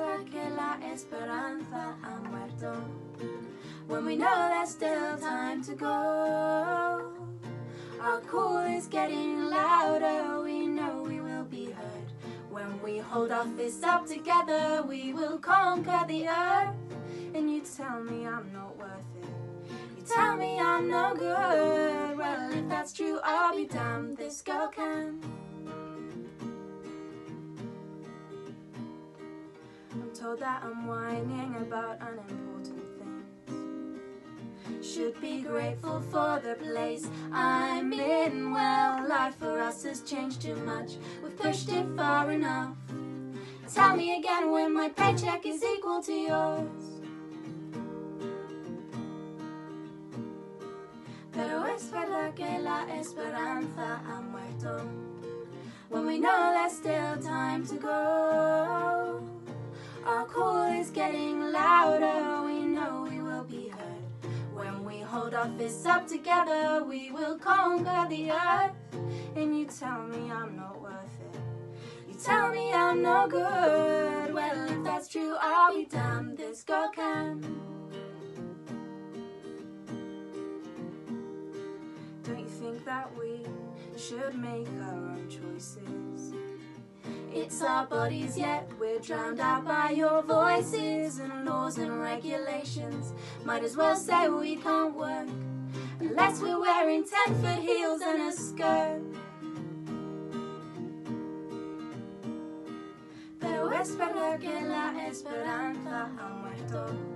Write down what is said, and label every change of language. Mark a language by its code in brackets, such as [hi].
[es] que la esperanza ha muerto. [en] When we know there's still time to go, our call is getting louder. We know we will be heard. When we hold our fists up together, we will conquer the earth. And you tell me I'm not worth it, you tell me I'm no good. Well, if that's true, I'll be damned. This girl can. I'm told that I'm whining about unimportant things. Should be grateful for the place I'm in. Well, life for us has changed too much. We've pushed it far enough. Tell me again when my paycheck is equal to yours. [es] Pero es verdad que la esperanza ha muerto. [en] When we know there's still time to go, our call is getting louder. We know we will be heard. When we hold our fists up together, we will conquer the earth. And you tell me I'm not worth it, you tell me I'm no good. Well, if that's true, I'll be damned. This girl can. Don't you think that we should make our own choices? It's our bodies, yet we're drowned out by your voices. And laws and regulations, might as well say we can't work unless we're wearing 10-foot heels and a skirt. [es] Pero es verdad que la esperanza ha muerto.